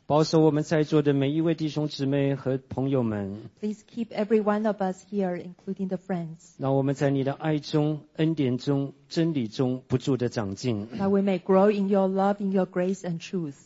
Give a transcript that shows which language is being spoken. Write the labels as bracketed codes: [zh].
[zh] 保守我们在座的每一位弟兄姊妹和朋友们。 [en] Please keep every one of us here, including the friends. [zh] 让我们在你的爱中、恩典中、真理中不住的长进。 [en] That we may grow in your love, in your grace and truth.